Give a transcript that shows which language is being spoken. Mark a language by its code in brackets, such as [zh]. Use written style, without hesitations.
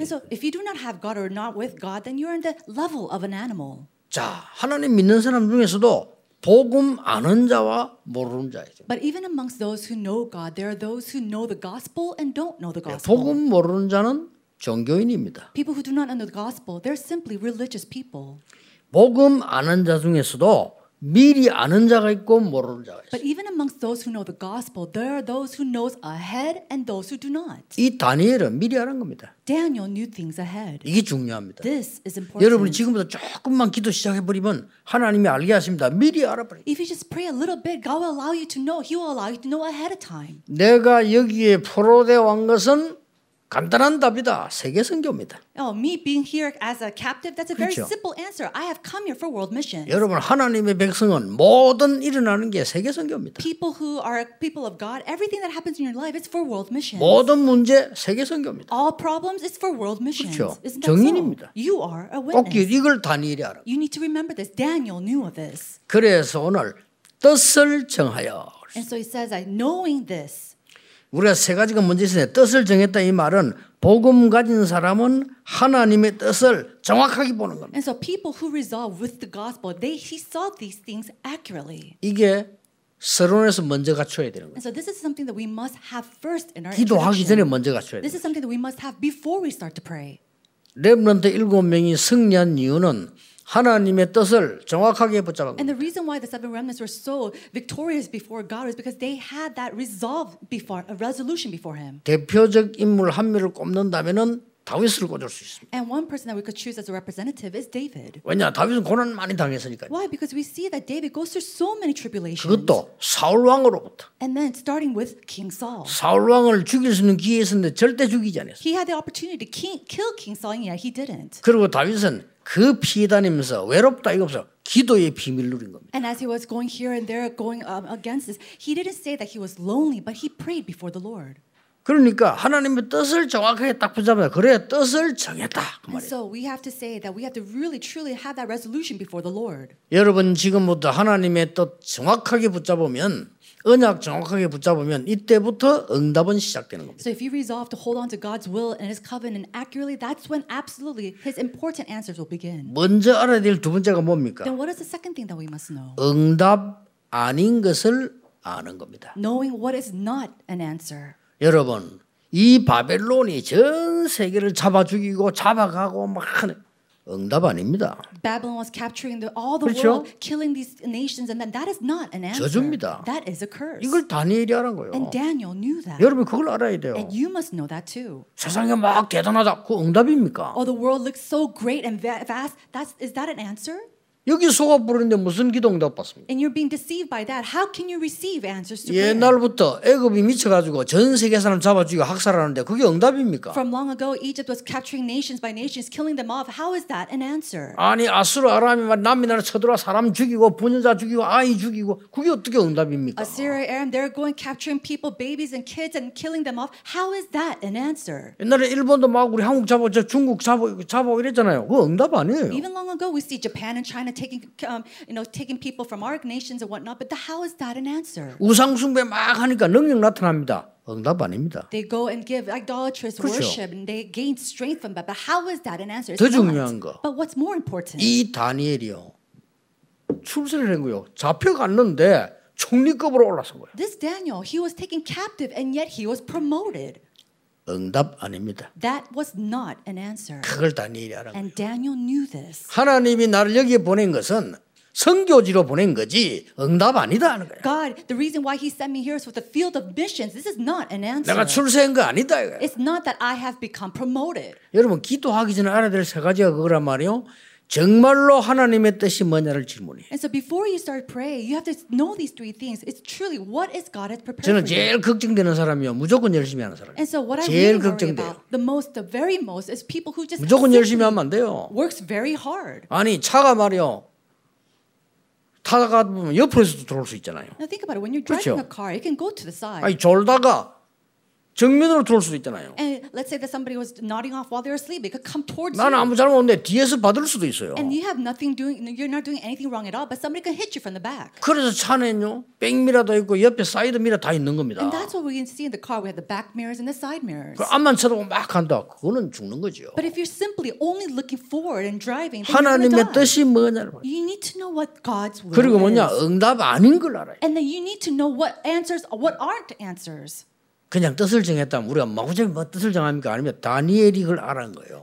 [en] And so if you do not have God or not with God, then you are on the level of an animal. [ko] 자, 하나님 믿는 사람 중에서도 복음 아는 자와 모르는 자 있어요. [en] But even amongst those who know God, there are those who know the gospel and don't know the gospel. [ko] 네, 복음 모르는 자는 종교인입니다. [en] People who do not know the gospel, they're simply religious people. [ko] 복음 아는 자 중에서도 미리 아는 자가 있고 모르는 자가 있어요. [en] But even amongst those who know the gospel, there are those who knows ahead and those who do not. [ko] 이 다니엘은 미리 알은 겁니다. [en] Daniel knew things ahead. [ko] 이게 중요합니다. [en] This is important. [ko] 여러분 지금부터 조금만 기도 시작해 버리면 하나님이 알게 하십니다. 미리 알아버려. [en] If you just pray a little bit, God will allow you to know. He will allow you to know ahead of time. [ko] 내가 여기에 포로되어 온 것은 간단한 답이다. 세계 선교입니다. [en] Oh, me being here as a captive, that's a [ko] 그렇죠. [en] very simple answer. I have come here for world mission. [ko] 여러분 하나님의 백성은 모든 일어나는 게 세계 선교입니다. [en] People who are people of God, everything that happens in your life is for world mission. [ko] 모든 문제 세계 선교입니다. [en] All problems is for world mission. [ko] 그렇죠. 정인입니다. [en] So? You are a witness. [ko] 꼭 이걸 다니엘이 알아. [en] You need to remember this. Daniel knew of this. [ko] 그래서 오늘 뜻을 정하여. [en] And so he says, I knowing this. [ko] 우리가 세 가지가 뭔지 있어요. 뜻을 정했다 이 말은 복음 가진 사람은 하나님의 뜻을 정확하게 보는 겁니다. [en] And so people who resolve with the gospel, he saw these things accurately. [ko] 이게 서론에서 먼저 갖춰야 되는 거예요. [en] And so this is something that we must have first in our [ko] 기도하기 전에 먼저 갖춰야 돼요. [en] This is something that we must have before we start to pray. [ko] 렘넌트 7명이 승리한 이유는 하나님의 뜻을 정확하게 붙잡았고. [en] And the reason why the seven remnants were so victorious before God is because they had that resolve before, a resolution before Him. [ko] 대표적 인물 한 명을 꼽는다면은 다윗을 꼽을 수 있습니다. [en] And one person that we could choose as a representative is David. [ko] 왜냐, 다윗은 고난 많이 당했으니까. [en] Why? Because we see that David goes through so many tribulations. [ko] 그것도 사울 왕으로부터. [en] And then starting with King Saul. [ko] 사울 왕을 죽일 수 있는 기회 있었는데 절대 죽이지 않았어요. [en] He had the opportunity to kill King Saul, and yet he didn't. [ko] 그리고 다윗은 그 피해 다니면서 외롭다 이거 없어 기도의 비밀 누린 겁니다. [en] And as he was going here and there, going against this, he didn't say that he was lonely, but he prayed before the Lord. [ko] 그러니까 하나님의 뜻을 정확하게 딱 붙잡아 그래야 뜻을 정했다 그 말이에요. [en] So we have to say that we have to really truly have that resolution before the Lord. [ko] 여러분 지금부터 하나님의 뜻 정확하게 붙잡으면 언약 정확하게 붙잡으면 이때부터 응답은 시작되는 겁니다. [en] So if you resolve to hold on to God's will and His covenant accurately, that's when absolutely His important answers will begin. [ko] 먼저 알아야 될 두 번째가 뭡니까? [en] Then what is the second thing that we must know? [ko] 응답 아닌 것을 아는 겁니다. [en] Knowing what is not an answer. [ko] 여러분, 이 바벨론이 전 세계를 잡아 죽이고 잡아가고 막 하는 응답 아닙니다. [en] Babylon was capturing all the [ko] 그렇죠? [en] world, killing these nations, and then that is not an answer. [ko] 저주입니다. [en] That is a curse. [ko] 이걸 다니엘이 알은 거예요. [en] And Daniel knew that. [ko] 여러분 그걸 알아야 돼요. [en] And you must know that too. [ko] 세상이 막 대단하다, 그 응답입니까? [en] Oh, the world looks so great and vast. Is that an answer? [ko] 여기 속아 부르는데 무슨 기도 응답 받습니까? [en] And you're being deceived by that. How can you receive answers to prayer? [ko] 옛날부터 애굽이 미쳐가지고 전 세계 사람 잡아 죽이고 학살하는데 그게 응답입니까? [en] From long ago, Egypt was capturing nations by nations, killing them off. How is that an answer? [ko] 아니 아수르 아람이 막 남미 나라 쳐들어 사람 죽이고 부녀자 죽이고 아이 죽이고 그게 어떻게 응답입니까? [en] Assyria, Aram, they're going capturing people, babies and kids, and killing them off. How is that an answer? [ko] 옛날에 일본도 막 우리 한국 잡아 저 중국 잡아 이랬잖아요. 그 응답 아니에요. [en] Even long ago, we see Japan and China. Taking, you know, taking people from our nations and whatnot, but how is that an answer? [ko] 우상 숭배 막 하니까 능력 나타납니다. 응답 아닙니다. [en] They go and give idolatrous [ko] 그렇죠. [en] worship and they gain strength from that. But how is that an answer? [ko] 더 중요한 거. [en] But what's more important? [ko] 이 다니엘이요 출세를 했고요 잡혀갔는데 총리급으로 올라선 거예요. [en] This Daniel, he was taken captive and yet he was promoted. [ko] 응답 아닙니다. [en] That was not an answer. [ko] 그걸 다니엘이 알아요. [en] And Daniel knew this. [ko] 하나님이 나를 여기에 보낸 것은 선교지로 보낸 거지 응답 아니다 하는 거야. [en] God, the reason why He sent me here is for the field of missions. This is not an answer. [ko] 내가 출세한 거 아니다. 이거야. [en] It's not that I have become promoted. [ko] 여러분 기도하기 전에 알아야 될 세 가지가 그거란 말이요. 정말로 하나님의 뜻이 뭐냐를 질문해. [en] And so before you start praying, you have to know these three things. It's truly what is God has prepared for you. [ko] 저는 제일 걱정되는 사람이요. 무조건 열심히 하는 사람. [en] And so what I really worry about the most, the very most, is people who just [ko] 무조건 열심히 하면 안 돼요. [en] Works very hard. [ko] 아니 차가 말이요. 타다가 보면 옆에서도 들어올 수 있잖아요. [en] Now think about it. When you're driving [ko] 그렇죠? [en] a car, it can go to the side. [ko] 아니 졸다가 정면으로 들어올 수도 있잖아요. [en] And let's say that somebody was nodding off while they were asleep. It could come towards [ko] 나는 나는 아무 잘못 없는데 뒤에서 받을 수도 있어요. [en] And you have nothing doing, you're not doing anything wrong at all, but somebody could hit you from the back. [ko] 그래서 차는요, 백미러도 있고 옆에 사이드 미러 다 있는 겁니다. [en] And that's what we can see in the car. We have the back mirrors and the side mirrors. [ko] 그 앞만 쳐다보고 막 간다. 그거는 죽는 거죠. [en] But if you're simply only looking forward and driving, [ko] 하나님의 뜻이 뭐냐 [en] You need to know what God's will [ko] 그리고 뭐냐, [en] is. [ko] 응답 아닌 걸 알아요. [en] And then you need to know what answers, what aren't answers. [ko] 그냥 뜻을 정했다면 우리가 마구잡이 뭐 뜻을 정합니까? 아니면 다니엘이 그걸 알아는 거예요.